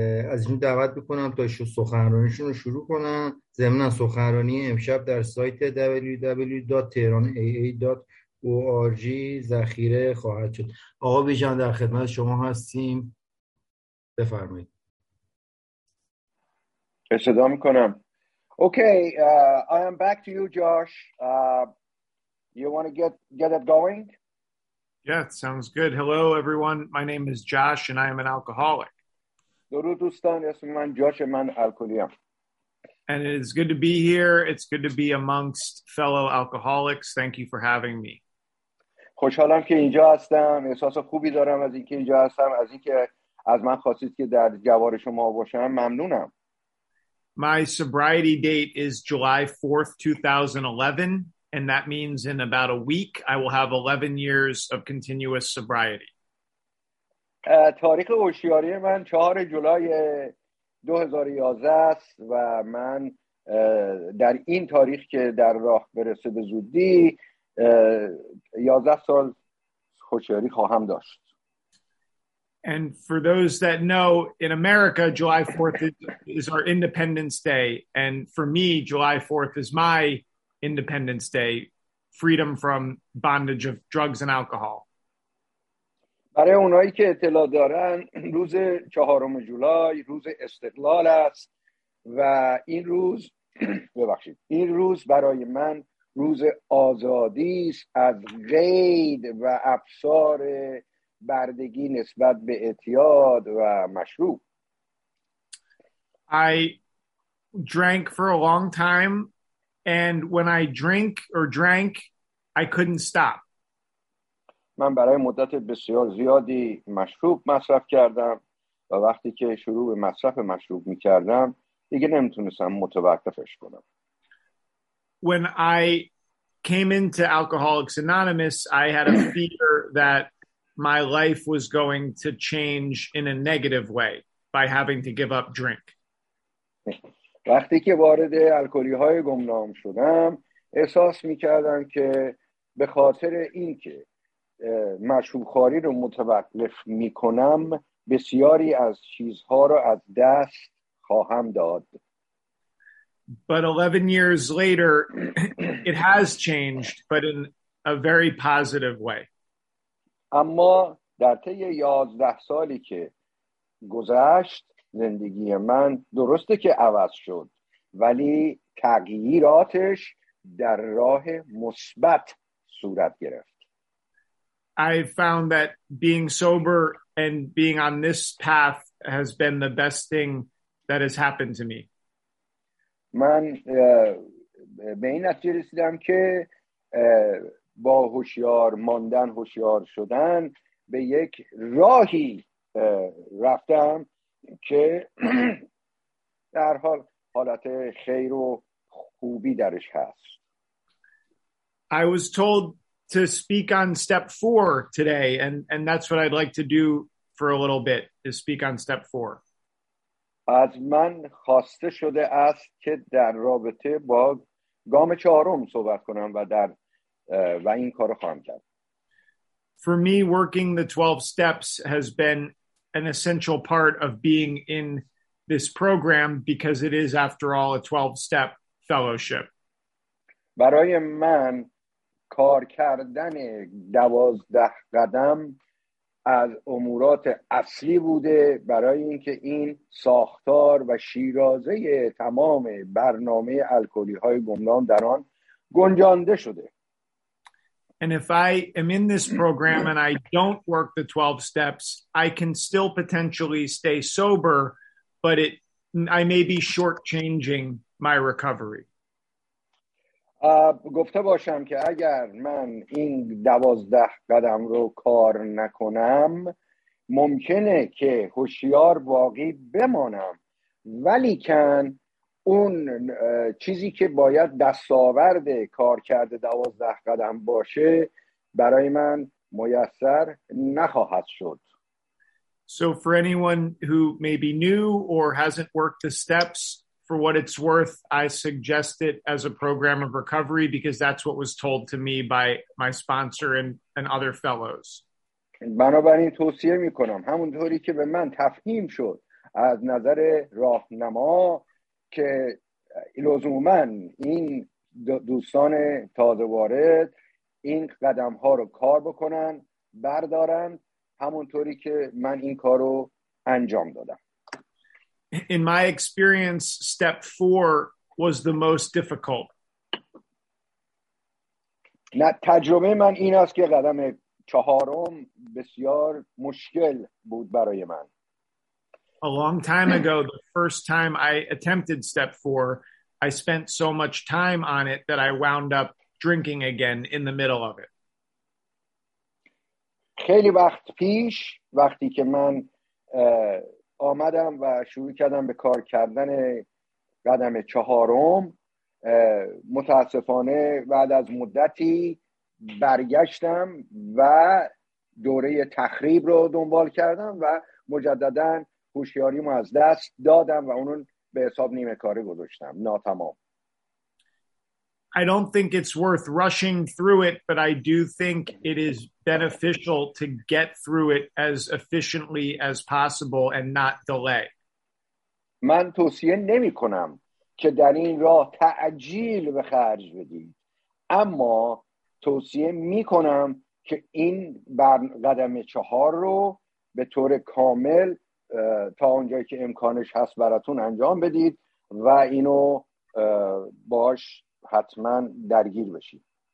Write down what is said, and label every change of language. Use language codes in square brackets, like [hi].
[fa] از این دعوت بکنم تا شو سخنرانیشون رو شروع کنن. ضمن سخنرانی امشب در سایت www.tehranaa.org ذخیره خواهد شد. آقا بیژن در خدمت شما هستیم، بفرمایید. صدا میکنم. [en] Okay, I am back to you, Josh. You want to get it going? Yeah, it sounds good. Hello, everyone. My name is Josh, and I am an alcoholic. [fa] درود دوستان، اسم من جاش، من الکلیم. [en] And it is good to be here. It's good to be amongst fellow alcoholics. Thank you for having me. [fa] خوشحالم که اینجا هستم. احساس خوبی دارم از اینکه اینجا هستم. از اینکه از من خواستید که در جوار شما باشم، ممنونم. [en] My sobriety date is July 4th, 2011, and that means in about a week I will have 11 years of continuous sobriety. [fa] تاریخ هوشیاری من 4 جولای 2011 است و من در این تاریخ که در راه برسه به زودی 11 سال هوشیاری خواهم داشت. [en] And for those that know, in America, July 4th is our Independence Day. And for me, July 4th is my Independence Day, freedom from bondage of drugs and alcohol. [fa] برای اونایی که اطلاع دارن، روز 4 جولای روز استقلال است و این روز ببخشید، این روز برای من روز آزادی است از قید و افسار بردگی نسبت به اعتیاد و مشروب. [en] I drank for a long time and when I drink or drank I couldn't stop. [fa] من برای مدت بسیار زیادی مشروب مصرف کردم و وقتی که شروع به مصرف مشروب می‌کردم دیگه نمی‌تونستم متوقفش کنم. [en] When I came into Alcoholics Anonymous I had a fear that my life was going to change in a negative way by having to give up drink. [fa] وقتی که وارد الکلی‌های گمنام شدم احساس می‌کردم که به خاطر اینکه مشروب‌خواری رو متوقف می‌کنم بسیاری از چیزها رو از دست خواهم داد. [en] But 11 years later it has changed but in a very positive way. [fa] اما در طی 11 سالی که گذشت زندگی من درسته که عوض شد ولی تغییراتش در راه مثبت صورت گرفت. [en] I found that being sober and being on this path has been the best thing that has happened to me. [fa] من به این نتیجه رسیدم که با هوشیار ماندن، هوشیار شدن به یک راهی رفتم که در حال حالت خیر و خوبی درش هست. [en] I was told to speak on step 4 today and that's what I'd like to do for a little bit, to speak on step 4. [fa] از من خواسته شده است که در رابطه با گام 4 صحبت کنم و این کارو خواهم کرد. [en] For me working the 12 steps has been an essential part of being in this program because it is after all a 12 step fellowship. [fa] برای من کار کردن 12 قدم از امورات اصلی بوده برای اینکه این ساختار و شیرازه تمام برنامه الکلی های گمنام در آن گنجانده شده. [en] And if I am in this program and I don't work the 12 steps, I can still potentially stay sober, but I may be shortchanging my recovery. [fa] گفته باشم که اگر من این 12 قدم رو کار نکنم، ممکنه که هوشیار باقی بمانم، ولیکن اون چیزی که باید دستاورد کار کرده 12 قدم باشه برای من میسر نخواهد شد. [en] So for anyone who may be new or hasn't worked the steps, for what it's worth, I suggest it as a program of recovery because that's what was told to me by my sponsor and other fellows. [fa] بنابراین توصیه می کنم همونطوری که به من تفهیم شد از نظر راهنما که لزوماً این دوستان تازه وارد این قدم ها رو کار بکنن بردارن همونطوری که من این کار رو انجام دادم. [en] In my experience, step 4 was the most difficult. [fa] نه تجربه من این است که قدم چهارم بسیار مشکل بود برای من. [en] A long time ago, the first time I attempted step 4, I spent so much time on it that I wound up drinking again in the middle of it. [fa] خیلی وقت پیش وقتی که من آمدم و شروع کردم به کار کردن قدم چهارم متاسفانه بعد از مدتی برگشتم و دوره تخریب رو دنبال کردم و مجدداً هوشیاریمو از دست دادم و اونو به حساب نیمه کاره گذاشتم ناتمام. [en] I don't think it's worth rushing through it, but I do think it is beneficial to get through it as efficiently as possible and not delay. [fa] من توصیه نمی کنم که در این راه تعجیل به خرج بدید. اما توصیه می کنم که این قدم چهار رو به طور کامل تا اونجایی که امکانش هست براتون انجام بدید و اینو باش حتماً درگیر بشید.